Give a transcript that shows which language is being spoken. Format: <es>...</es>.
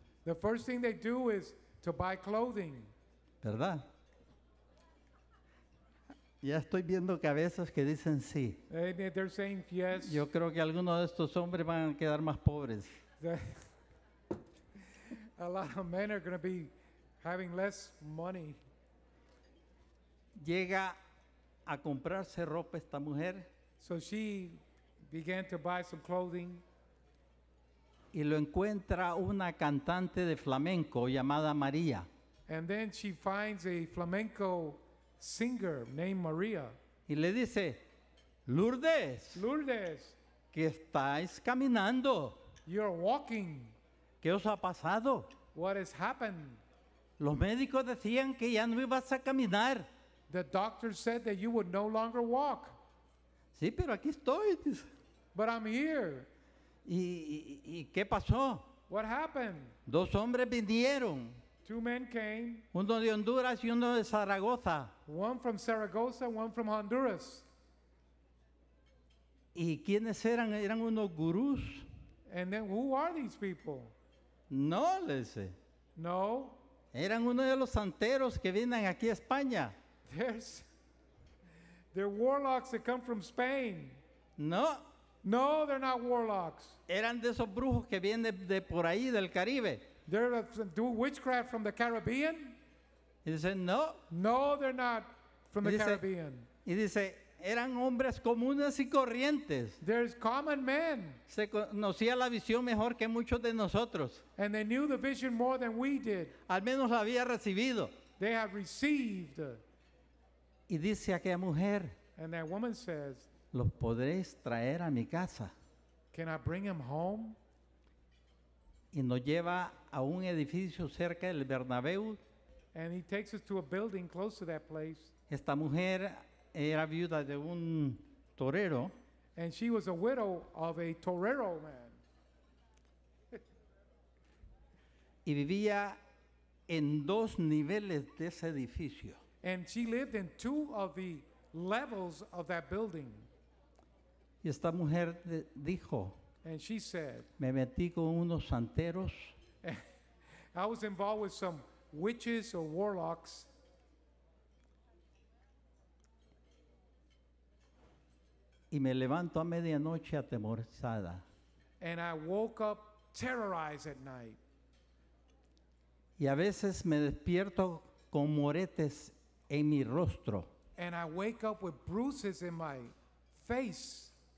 <en>The first thing they do is to buy clothing.</en> <es>¿Verdad? Ya estoy viendo cabezas que dicen sí.</es> <en>They're saying yes.</en> <es>Yo creo que algunos de estos hombres van a quedar más pobres.</es> <en>A lot of men are going to be having less money.</en> <es>Llega a comprarse ropa esta mujer.</es> <en>So she began to buy some clothing.</en> <es>Y lo encuentra una cantante de flamenco llamada María.</es> <en>And then she finds a flamenco singer named Maria.</en> <es>Y le dice, Lourdes. Lourdes. ¿Qué estáis caminando?</es> <en>You're walking.</en> <es>¿Qué os ha pasado?</es> <en>What has happened?</en> <es>Los médicos decían que ya no ibas a caminar.</es> <en>The doctor said that you would no longer walk.</en> <es>Sí, pero aquí estoy.</es> <en>But I'm here.</en> <es>¿Y qué pasó?</es> <en>What happened?</en> <es>Dos hombres vinieron.</es> <en>Two men came.</en> <es>Uno de Honduras y uno de Zaragoza.</es> <en>One from Zaragoza, one from Honduras.</en> <es>¿Y quiénes eran? Eran unos gurús.</es> <en>And then who are these people?</en> <es>No, les dije.</es> <en>No.</en> <es>Eran uno de los santeros que vienen aquí a España.</es> <en>They're warlocks that come from Spain. No. No, they're not warlocks.</en> <es>Eran de esos brujos que vienen de por ahí, del Caribe.</es> <en>They're do witchcraft from the Caribbean?</en> <es>Y dice, no.</es> <en>No, they're not from the Caribbean.</en> <es>Y dice, eran hombres comunes y corrientes.</es> <en>They're common men.</en> <es>Se conocía la visión mejor que muchos de nosotros.</es> <en>And they knew the vision more than we did.</en> <es>Al menos la había recibido.</es> <en>They have received.</en> <es>Y dice aquella mujer,</es> <en>and that woman says,</en> <es>los podréis traer a mi casa.</es> <en>Can I bring him home?</en> <es>Y nos lleva a un edificio cerca del Bernabéu.</es> <en>And he takes us to a building close to that place.</en> <es>Esta mujer era viuda de un torero.</es> <en>And she was a widow of a torero man.</en> <es>Y vivía en dos niveles de ese edificio.</es> <en>And she lived in two of the levels of that building.</en> <es>Y esta mujer dijo,</es> <en>and she said,</en> <es>me metí con unos santeros.</es> <en>I was involved with some witches or warlocks.</en> <es>Y me levanto a medianoche atemorizada.</es> <en>And I woke up terrorized at night.</en> <es>Y a veces me despierto con moretes en mi rostro.</es> <en>And I wake up with bruises in my face.</en>